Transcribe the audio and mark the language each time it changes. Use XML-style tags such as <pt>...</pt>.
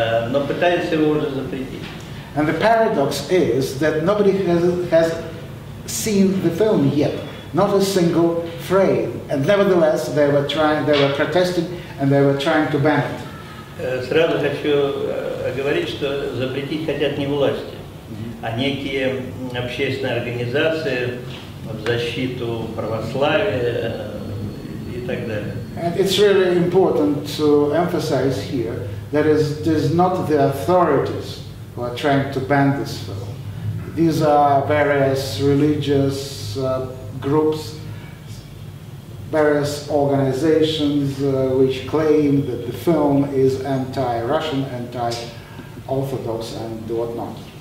<ru>Но пытается его уже запретить.</ru> <en>And the paradox is that nobody has seen the film yet, not a single frame. And nevertheless, they were protesting, and they were trying to ban it.</en> <ru>Сразу хочу говорить, что запретить хотят не власти, mm-hmm. а некие общественные организации в защиту православия и так далее.</ru> <en>And it's really important to emphasize here. That is, there's not the authorities who are trying to ban this film. These are various religious groups, various organizations which claim that the film is anti-Russian, anti-Orthodox, and whatnot.</en>